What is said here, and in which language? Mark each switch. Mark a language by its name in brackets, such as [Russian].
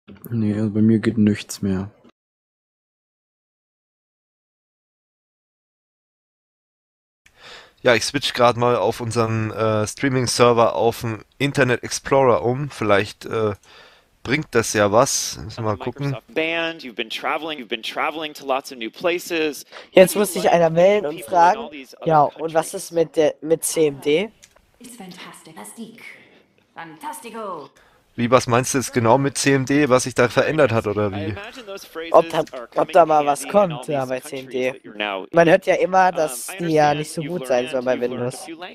[German] Nee, also bei mir geht nichts mehr. Ja, ich switch gerade mal auf unseren Streaming-Server auf den Internet Explorer um. Vielleicht bringt das ja was. Müssen wir mal gucken. [English] You've been traveling to lots of new places. [German] Jetzt muss sich einer melden und fragen, ja, und was ist mit CMD? [English] It's fantastic. [Italian] Fantastico. [German] Wie, was meinst du jetzt genau mit CMD, was sich da verändert hat, oder wie? Ob da mal was kommt, ja, bei CMD. Man hört ja immer, dass die ja nicht so gut sein sollen bei Windows.